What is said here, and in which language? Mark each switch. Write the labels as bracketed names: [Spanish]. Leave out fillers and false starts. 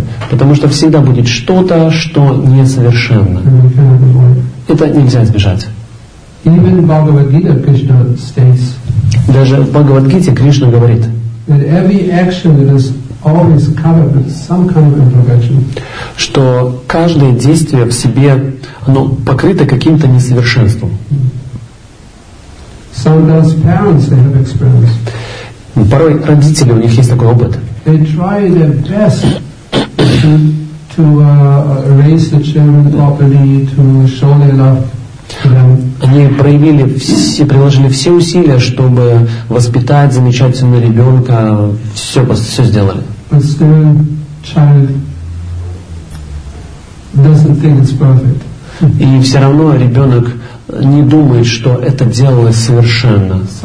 [Russian] Потому что всегда будет что-то, что несовершенно. Это нельзя избежать. [English] Even Bhagavad Gita, Krishna states, [Russian] даже в Бхагавад-гите Кришна говорит, [English] that every action that is always covered with some kind of imperfection, [Russian] что каждое действие в себе оно покрыто каким-то несовершенством. [English] Sometimes parents, they have experience. [Russian] Порой родители, у них есть такой опыт. [English] They try their best to raise the children properly, to show their love. [Russian] Они приложили все усилия, чтобы воспитать замечательного ребенка, все сделали. И все равно ребенок не думает, что это делалось совершенно.